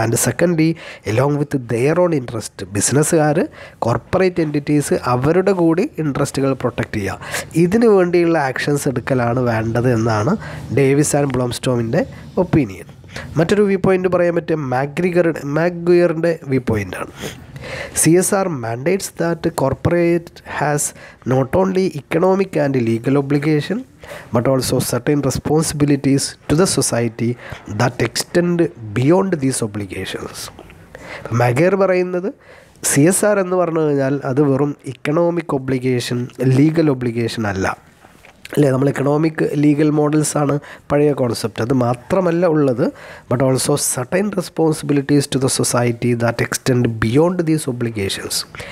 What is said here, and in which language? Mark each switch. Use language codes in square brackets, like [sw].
[en] and secondly, along with their own interest, [ml] ബിസിനസ്സുകാർ corporate entities അവരുടെ കൂടി ഇൻട്രസ്റ്റുകൾ protect ചെയ്യുക, ഇതിന് വേണ്ടിയുള്ള ആക്ഷൻസ് എടുക്കലാണ് വേണ്ടത് എന്നാണ് ഡേവിസ് ആൻഡ് ബ്ലോംസ്റ്റോമിൻ്റെ ഒപ്പീനിയൻ. മറ്റൊരു വ്യൂ പോയിൻ്റ് പറയാൻ പറ്റിയ മാക്ഗ്വയറിൻ്റെ വ്യൂ പോയിൻ്റാണ്. [en] CSR mandates that corporate has not only economic and legal obligation but also certain responsibilities to the society that extend beyond these obligations. [ml] മാഗേർ പറയുന്നത് CSR എന്ന് പറഞ്ഞു കഴിഞ്ഞാൽ അത് വെറും ഇക്കണോമിക് ഒബ്ലിഗേഷൻ, ലീഗൽ ഒബ്ലിഗേഷൻ അല്ല അല്ലേ. നമ്മൾ ഇക്കണോമിക് ലീഗൽ മോഡൽസ് ആണ് പഴയ കോൺസെപ്റ്റ്. അത് മാത്രമല്ല ഉള്ളത്, [en] But also certain responsibilities to the society that extend beyond these obligations.